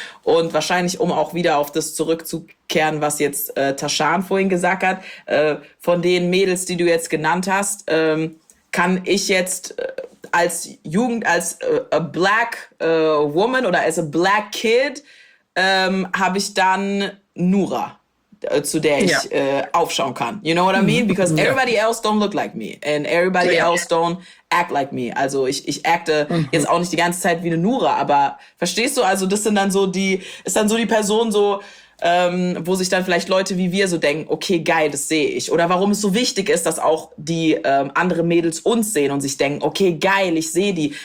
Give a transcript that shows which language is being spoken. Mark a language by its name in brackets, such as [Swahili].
[German] Und wahrscheinlich, um auch wieder auf das zurückzukehren, was jetzt Tashan vorhin gesagt hat, von den Mädels, die du jetzt genannt hast, kann ich jetzt als Jugend, als [English] a black woman [German] oder als [English] a black kid, [German] habe ich dann Nura, zu der ich aufschauen kann. [English] You know what I mean? Because everybody else don't look like me. And everybody else don't act like me. [German] Also ich acte jetzt auch nicht die ganze Zeit wie eine Nura, aber verstehst du? Also das sind dann so die, ist dann so die Person so, wo sich dann vielleicht Leute wie wir so denken, okay, geil, das sehe ich. Oder warum es so wichtig ist, dass auch die andere Mädels uns sehen und sich denken, okay, geil, ich sehe die.